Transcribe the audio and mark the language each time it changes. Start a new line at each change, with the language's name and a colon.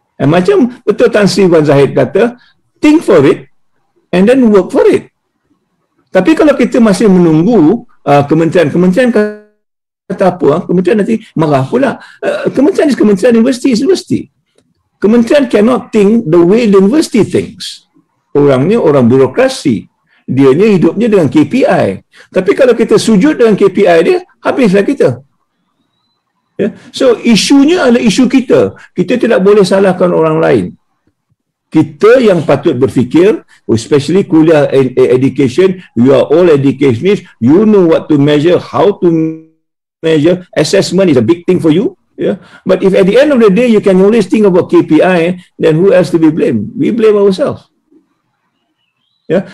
English: And
Malay: macam betul
English: Tan Sri Wan Zahid
Malay: kata,
English: think for it and then work for it.
Malay: Tapi kalau kita masih menunggu kementerian-kementerian kata apa, kementerian nanti marah pula.
English: Kementerian is kementerian, universiti is universiti. Kementerian cannot think the way the university thinks.
Malay: Orangnya orang birokrasi. Dianya hidupnya dengan KPI. Tapi kalau kita sujud dengan KPI dia, habislah kita.
English: Yeah.
Malay: So, isunya adalah isu kita. Kita tidak boleh salahkan orang lain. Kita yang patut berfikir,
English: especially kuliah education, you are all educationists, you know what to measure, how to measure, assessment is a big thing for you. Yeah. But if at the end of the day, you can always think about KPI, then who else to be blamed? We blame ourselves. Yeah.